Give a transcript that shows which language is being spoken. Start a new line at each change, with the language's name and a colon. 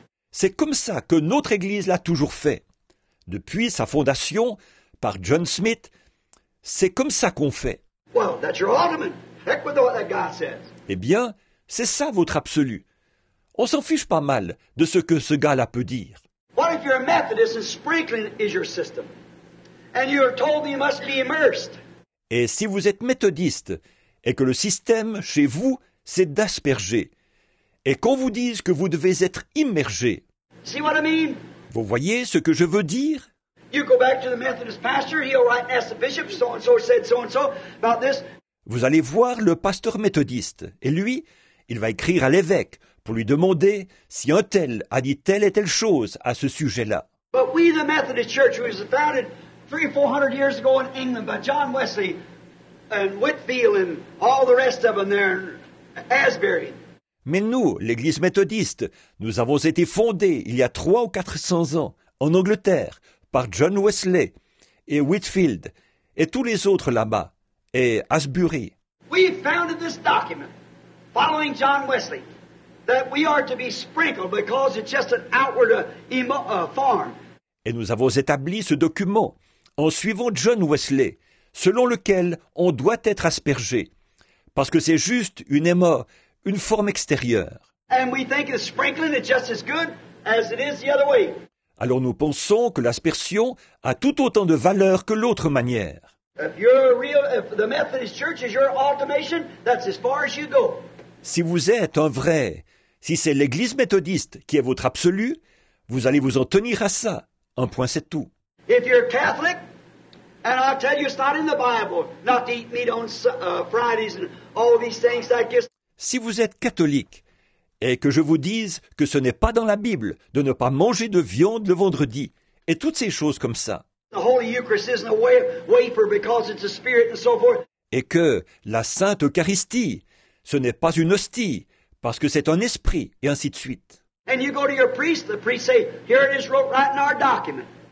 French: C'est comme ça que notre Église l'a toujours fait. Depuis sa fondation, par John Smith, c'est comme ça qu'on fait.
English: Well, that's your ultimate. Heck with what that guy says.
French: Eh bien, c'est ça votre absolu. On s'en fiche pas mal de ce que ce gars-là peut dire.
English: What if you're a Methodist and sprinkling is your system? And you are told you must be immersed.
French: Et si vous êtes méthodiste et que le système chez vous c'est d'asperger, et qu'on vous dise que vous devez être immergé.
English: See what I mean?
French: Vous voyez ce que je veux dire?
English: You go back to the Methodist pastor, he'll write and ask the bishop so and so said so and so about this.
French: Vous allez voir le pasteur méthodiste et lui, il va écrire à l'évêque pour lui demander si un tel a dit telle et telle chose à ce sujet-là.
English: But we the Methodist church was founded 300-400 years ago in England by John Wesley and Whitfield and all the rest of them there in Asbury.
French: Mais nous, l'Église méthodiste, nous avons été fondés il y a 300 ou 400 ans en Angleterre par John Wesley et Whitfield et tous les autres là-bas et Asbury.
English: We founded this document following John Wesley that we are to be sprinkled because it's just an outward form.
French: Et nous avons établi ce document en suivant John Wesley, selon lequel on doit être aspergé, parce que c'est juste une éma, une forme extérieure.
English: And we think the sprinkling is just as good as it is the other way.
French: Alors nous pensons que l'aspersion a tout autant de valeur que l'autre manière.
English: If you're a real, if the Methodist Church is your ultimation, that's as far as you go.
French: Si vous êtes un vrai, si c'est l'Église méthodiste qui est votre absolu, vous allez vous en tenir à ça. Un point, c'est tout.
English: If you're Catholic, and I'll tell you it's not in the Bible, not to eat meat on Fridays and all these things like this.
French: Si vous êtes catholique et que je vous dise que ce n'est pas dans la Bible de ne pas manger de viande le vendredi et toutes ces choses comme ça.
English: The Holy Eucharist isn't a wafer because it's a spirit and so forth.
French: Et que la Sainte Eucharistie, ce n'est pas une hostie parce que c'est un esprit et ainsi de suite.
English: And you go to your priest, the priest say, here it is wrote right in our document.